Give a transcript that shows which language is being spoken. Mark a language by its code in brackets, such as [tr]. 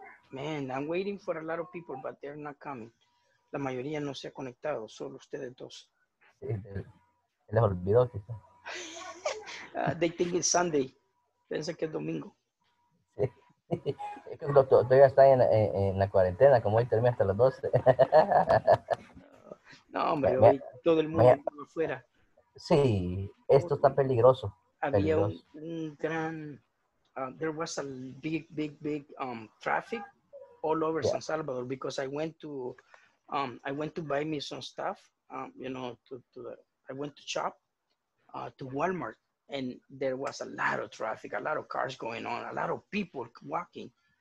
[en] Man, I'm waiting for a lot of people, but they're not coming. [es] La mayoría no se ha conectado, solo ustedes dos. Sí, les olvidó, quizá. [en] They think it's Sunday. [es] Piensa que es domingo. Sí. Es que el doctor todavía está en la cuarentena, como él termina hasta las 12. No, hombre, hoy todo el mundo estaba afuera. Sí, esto está peligroso. [en] There was a big traffic all over San Salvador because I went to buy me some stuff, I went to Walmart, and there was a lot of traffic, a lot of cars going on, a lot of people walking.